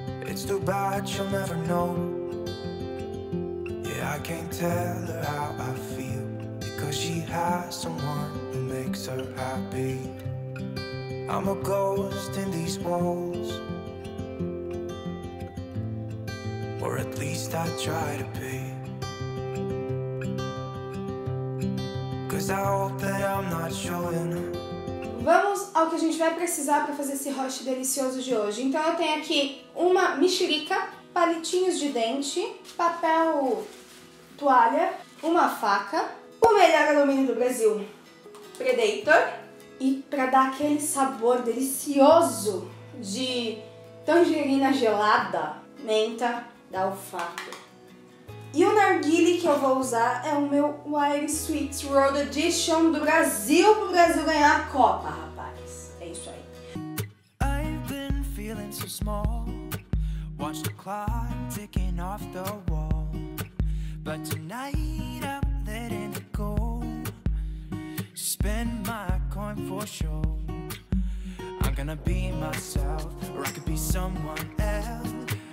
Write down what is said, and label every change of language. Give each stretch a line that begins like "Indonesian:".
English: It's too bad she'll never know. Yeah, I can't tell her how I feel, because she has someone who makes her happy. I'm a ghost in these walls, or at least I try to be. Cause I hope that I'm not showing her.
Portuguese: Vamos ao que a gente vai precisar para fazer esse roche delicioso de hoje. Então eu tenho aqui uma mexerica, palitinhos de dente, papel toalha, uma faca, o melhor alumínio do Brasil, Predator, e para dar aquele sabor delicioso de tangerina gelada, menta da Olfato. E o narguile que eu vou usar é o meu Wild Sweet World Edition do Brasil, pro Brasil ganhar a Copa, rapaz. É isso aí.
English: I've been feeling so small. Watch the clock ticking off the wall. But tonight I'm letting it go. Spend my coin for show. I'm gonna be myself, or I could be someone else.